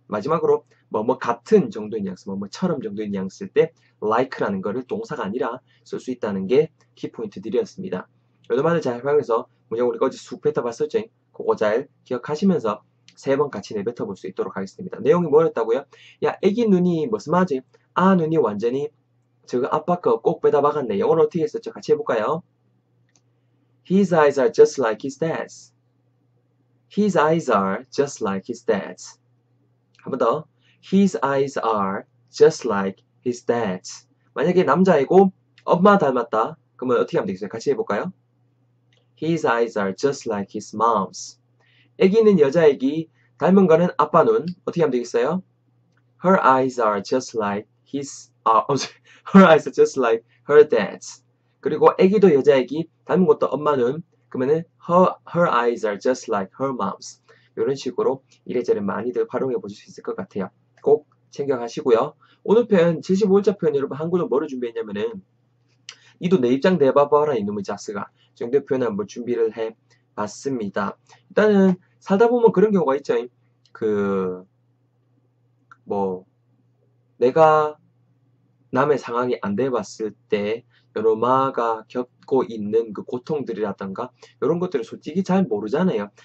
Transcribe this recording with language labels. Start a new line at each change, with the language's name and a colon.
Korean: 마지막으로 뭐뭐 같은 정도의 뉘앙스, 뭐뭐처럼 정도의 뉘앙스 쓸때 like라는 거를 동사가 아니라 쓸수 있다는 게 키포인트들이었습니다. 요 말을 잘 활용해서 문장 우리가 어제 쑥 뱉어봤었죠? 그거 잘 기억하시면서 세번 같이 내뱉어 볼수 있도록 하겠습니다. 내용이 뭐였다고요? 야, 애기 눈이 무슨 말이지? 아, 눈이 완전히 저거 아빠 거꼭 빼다 박았네. 영어로 어떻게 했었죠? 같이 해볼까요?
English: His eyes are just like his dad's. His eyes are just like his dad's.
Korean: 한번 더.
English: His eyes are just like his dad's.
Korean: 만약에 남자이고 엄마 닮았다. 그러면 어떻게 하면 되겠어요? 같이 해볼까요?
English: His eyes are just like his mom's.
Korean: 애기는 여자애기, 닮은 거는 아빠 눈. 어떻게 하면 되겠어요?
English: Her eyes are just like his Her eyes are just like her dad's.
Korean: 그리고 애기도 여자애기, 닮은 것도 엄마 눈. 그러면은
English: her eyes are just like her mom's.
Korean: 이런 식으로 이래저래 많이들 활용해 보실 수 있을 것 같아요. 꼭 챙겨 가시고요. 오늘 표현, 75일자 표현 여러분 한국어 뭐를 준비했냐면은 이도 내 입장 내봐봐라 이놈의 자스가 정도 표현 한번 준비를 해 봤습니다. 일단은 살다 보면 그런 경우가 있죠. 그뭐 내가 남의 상황이 안 돼봤을 때, 여러마가 겪고 있는 그 고통들이라든가 이런 것들을 솔직히 잘 모르잖아요.